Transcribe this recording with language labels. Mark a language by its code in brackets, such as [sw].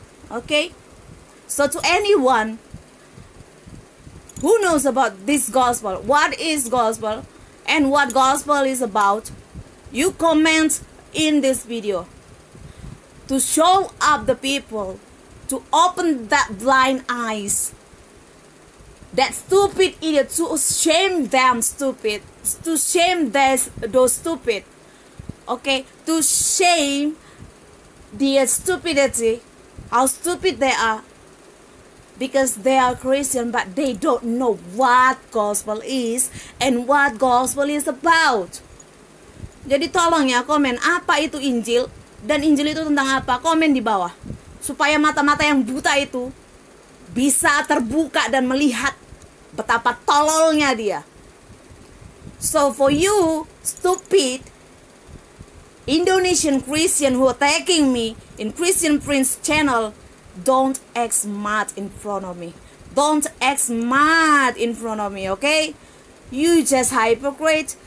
[en] Okay, so to anyone who knows about this gospel, what is gospel and what gospel is about, you comment in this video to show up the people, to open that blind eyes, that stupid idiot, to shame them stupid, to shame those stupid, okay, to shame their stupidity. How stupid they are, because they are Christian but they don't know what gospel is and what gospel is about. [id] Jadi tolong ya, komen apa itu Injil dan Injil itu tentang apa, komen di bawah supaya mata-mata yang buta itu bisa terbuka dan melihat betapa tololnya dia. [en] So for you stupid Indonesian Christian who attacking me in Christian Prince channel, don't act smart in front of me. Don't act smart in front of me, okay? You just hypocrite.